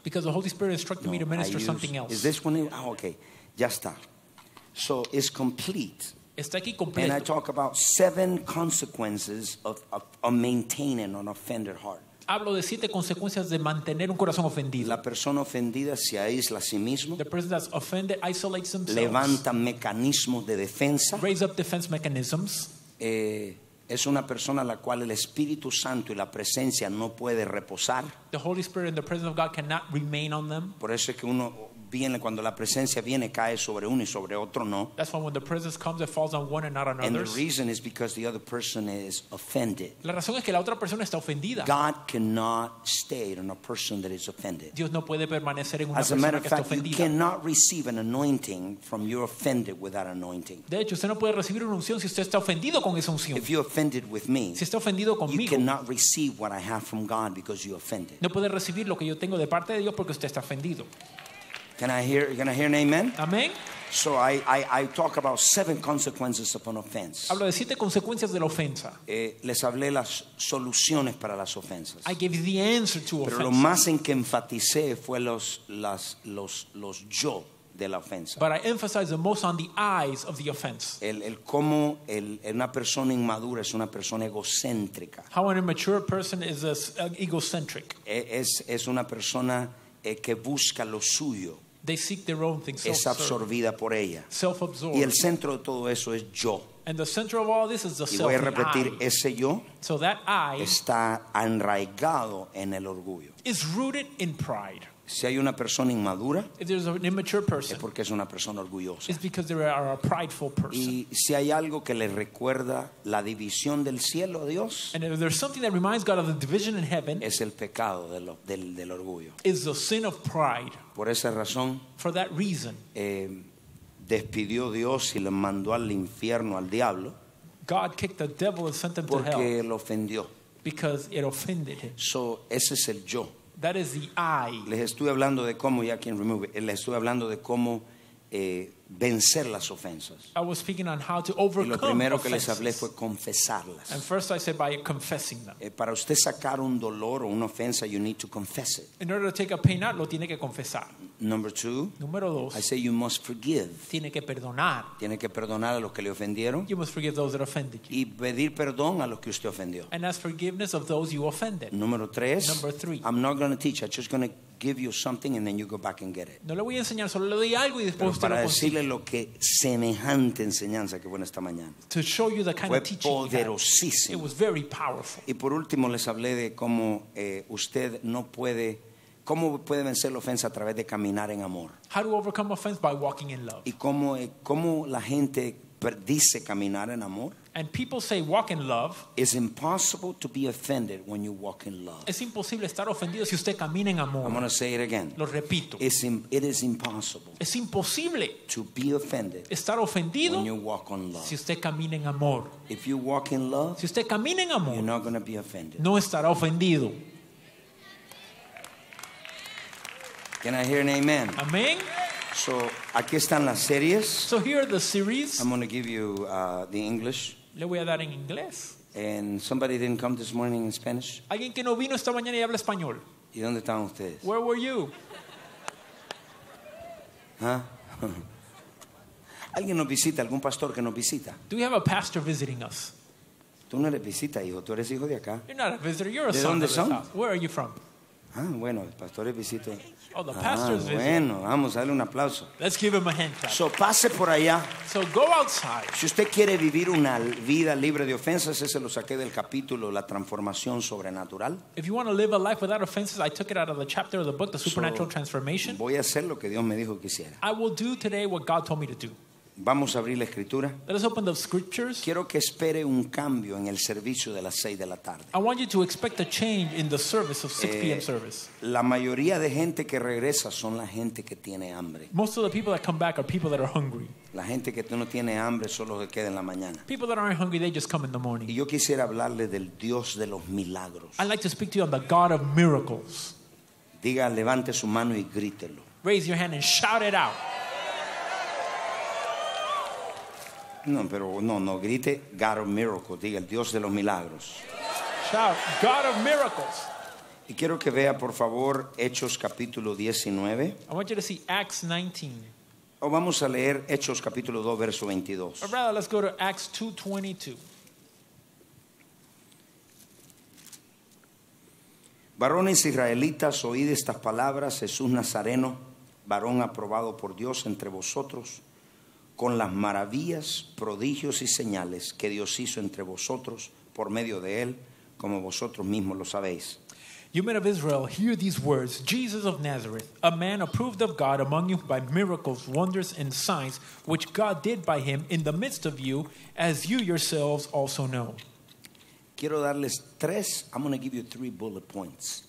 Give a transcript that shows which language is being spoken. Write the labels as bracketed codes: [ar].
[en] Because the Holy Spirit instructed me to minister something else. Is this one? Oh, okay. [es] Ya está. [en] So it's complete. [es] Está aquí completo. [en] And I talk about seven consequences of maintaining an offended heart. [es] Hablo de siete consecuencias de mantener un corazón ofendido. La persona ofendida se aísla a sí mismo. [en] The person that's offended isolates themselves. [es] Levanta mecanismos de defensa. [en] Raise up defense mechanisms. [es] Es una persona a la cual el Espíritu Santo y la presencia no puede reposar. [en] The Holy Spirit and the presence of God cannot remain on them. [es] Por eso es que uno viene, cuando la presencia viene, cae sobre uno y sobre otro, no. [en] That's why when the presence comes, it falls on one and not on others. And the reason is because the other person is offended. [es] La razón es que la otra persona está ofendida. [en] God cannot stay in a person that is offended. [es] Dios no puede permanecer en una [en] As [es] persona [en] a matter of fact, [es] que está ofendida. [en] You cannot receive an anointing from your offended with that anointing. [es] De hecho, usted no puede recibir una unción si usted está ofendido con esa unción. [en] If you're offended with me, [es] si está ofendido conmigo, [en] you cannot receive what I have from God because you're offended. [es] No puede recibir lo que yo tengo de parte de Dios porque usted está ofendido. [en] Can I hear an amen? Amen. So I talk about seven consequences of an offense. [es] Hablo de siete consecuencias de la ofensa. Les hablé las soluciones para las ofensas. [en] I gave the answer to offenses. [es] Pero lo más en que enfaticé fue los yo de la ofensa. [en] But I emphasized the most on the eyes of the offense. [es] El cómo una persona inmadura es una persona egocéntrica. [en] How an immature person is egocentric. [es] Es una persona que busca lo suyo. [en] They seek their own things. [es] Es absorbida por ella. [en] Self-absorbed. [es] Y el centro de todo eso es yo. [en] And the center of all this is the self. [es] Y voy a repetir, ese yo. [en] So that I [es] está arraigado en el orgullo. [en] Is rooted in pride. [es] Si hay una persona inmadura, [en] if there's an immature person, [es] es porque es una persona orgullosa. [en] It's because they are a prideful person. [es] Y si hay algo que le recuerda la división del cielo a Dios, [en] and if there's something that reminds God of the division in heaven, [es] es el pecado del orgullo. [en] Is the sin of pride. [es] Por esa razón, [en] for that reason, [es] despidió Dios y lo mandó al infierno al diablo. [en] God kicked the devil and sent him to hell. [es] Porque lo ofendió. [en] Because it offended him. [es] So ese es el yo. [en] That is the I. [es] Les estuve hablando de cómo, ya quien [en] remove it, [es] les estuve hablando de cómo vencer las ofensas. [en] I was speaking on how to overcome [es] y lo primero [en] offenses. [es] Que les hablé fue confesarlas. [en] And first I said by confessing them. [es] Para usted sacar un dolor o una ofensa, [en] you need to confess it. In order to take a pain out, [es] lo tiene que confesar. [en] Number two. [es] Número dos. [en] I say you must forgive. [es] Tiene que perdonar. Tiene que perdonar a los que le ofendieron. [en] You must forgive those that offended you. [es] Y pedir perdón a los que usted ofendió. [en] And ask forgiveness of those you offended. [es] Número tres. [en] Number three. I'm not going to teach. I'm just going to give you something and then you go back and get it. [es] No le voy a enseñar, solo le doy algo y después usted lo consigue. Para decirle lo que semejante enseñanza que fue en esta mañana. [en] To show you the kind [es] fue [en] of teaching [es] poderosísimo. [en] It was very powerful. [es] Y por último les hablé de cómo usted no puede, cómo puede vencer la ofensa a través de caminar en amor. [en] How to overcome offense by walking in love. [es] Y cómo cómo la gente dice caminar en amor. [en] And people say walk in love. It's impossible to be offended when you walk in love. [es] Es imposible estar ofendido si usted camina en amor. [en] I'm going to say it again. [es] Lo repito. [en] It is impossible. [es] Es imposible [en] to be offended. [es] Estar ofendido [en] when you walk on love. [es] Si usted camina en amor. [en] If you walk in love, [es] si usted camina en amor, [en] you're not going to be offended. [es] No estará ofendido. [en] Can I hear an amen? Amen. So, [es] aquí están las series. [en] So here are the series. I'm going to give you the English. [es] Le voy a dar en inglés. [en] And somebody didn't come this morning in Spanish. [es] Alguien que no vino esta mañana y habla español. ¿Y dónde estaban ustedes? [en] Where were you? Huh? [es] Alguien nos visita, algún pastor que nos visita. [en] Do we have a pastor visiting us? [es] Tú no eres visita, hijo. Tú eres hijo de acá. [en] You're not a visitor. You're a son. [es] ¿De dónde son? [en] Where are you from? [es] Ah, bueno, el pastor es visita. [en] Oh, the pastor's visit. [es] Bueno, vamos a darle un aplauso. [en] Let's give him a hand clap. [es] So, pase por allá. [en] So, go outside. [es] Si usted quiere vivir una vida libre de ofensas, ese lo saqué del capítulo La Transformación Sobrenatural. [en] If you want to live a life without offenses, I took it out of the chapter of the book, The Supernatural Transformation. [es] Voy a hacer lo que Dios me dijo que hiciera. [en] I will do today what God told me to do. [es] Vamos a abrir la escritura. [en] Let us open the scriptures. [es] Quiero que espere un cambio en el servicio de las 6 de la tarde. [en] I want you to expect a change in the service of 6 p.m. service. [es] La mayoría de gente que regresa son la gente que tiene hambre. [en] Most of the people that come back are people that are hungry. [es] La gente que no tiene hambre solo se queda en la mañana. [en] People that aren't hungry, they just come in the morning. [es] Y yo quisiera hablarle del Dios de los milagros. [en] I'd like to speak to you on the God of miracles. [es] Diga, levante su mano y grítelo. [en] Raise your hand and shout it out. [es] No, pero no, no, grite [en] God of Miracles, [es] diga el Dios de los milagros. [en] Shout, God of Miracles. [es] Y quiero que vea, por favor, Hechos capítulo 19. [en] I want you to see Acts 19. [es] O vamos a leer Hechos capítulo 2, verso 22. [en] Or rather, let's go to Acts 2:22. [es] Varones israelitas, oíd estas palabras, Jesús Nazareno, varón aprobado por Dios entre vosotros, con las maravillas, prodigios y señales que Dios hizo entre vosotros por medio de él, como vosotros mismos lo sabéis. [en] You men of Israel, hear these words, Jesus of Nazareth, a man approved of God among you by miracles, wonders, and signs, which God did by him in the midst of you, as you yourselves also know. [es] Quiero darles tres, [en] I'm going to give you three bullet points.